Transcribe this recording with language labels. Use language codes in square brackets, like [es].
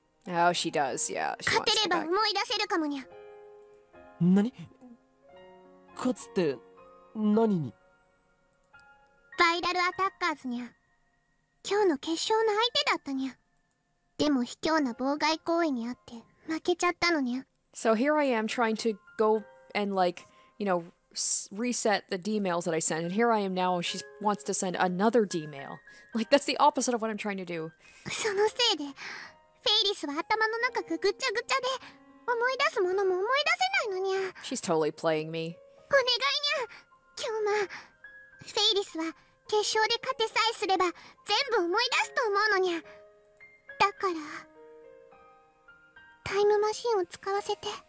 [en] Oh, she does, yeah. She wants to go back. [ja] 勝てれば思い出せるかもにゃ。何？勝つって何に？バイラルアタッカーズにゃ。今日の決勝の相手だったにゃ。でも卑怯な妨害行為にあって負けちゃったのにゃ。 [en] So here I am trying to go and like, you know, reset the D-mails that I sent. And here I am now, she wants to send another D-mail. Like, that's the opposite of what I'm trying to do. [ja] そのせいで…Faris は頭の中がぐちゃぐちゃで、思い出すものも思い出せないのにゃ。 [en] She's totally playing me. [ja] お願いにゃ、キョーマ。 Faris は決勝で勝てさえすれば、全部思い出すと思うのにゃ。だから、タイムマシンを使わせて。